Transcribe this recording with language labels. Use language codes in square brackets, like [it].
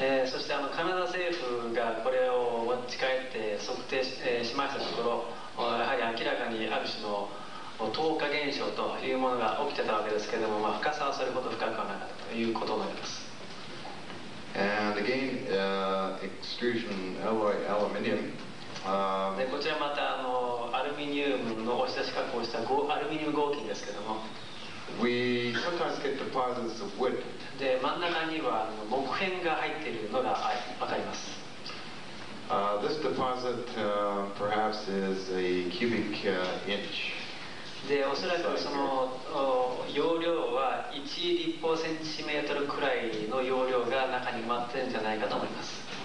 [ja] そして、カナダ政府がこれを持ち帰って測定 しましたところ、やはり明らかにある種の透過現象というものが起きてたわけですけれども、まあ、深さはそれほど深くはなかったということになります。 [en] And again, extrusion alloy aluminium. [ja] こちらまたアルミニウムの押し出し加工したアルミニウム合金ですけども。 [en] We sometimes get deposits of wood. [ja] で、真ん中には木片が入っているのがわかります。 [en] This deposit, perhaps is a cubic inch. [ja] で、おそらくその容量は1立方センチメートルくらいの容量が中に埋まってるんじゃないかと思います。